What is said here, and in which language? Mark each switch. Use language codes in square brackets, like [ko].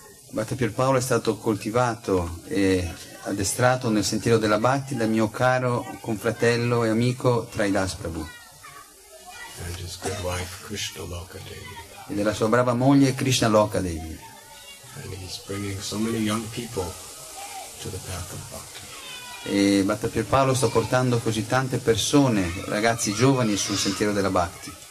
[it] Bhatta Pier Paolo è stato coltivato e addestrato nel sentiero della bhakti da mio caro confratello e amico Tridas Prabhu. [en] And his good wife, Krishna Loka Devi. [it] E della sua brava moglie Krishna Loka Devi. [en] And he's bringing so many young people to the path of bhakti. [it] E Bhatta Pier Paolo sta portando così tante persone, ragazzi giovani, sul sentiero della bhakti.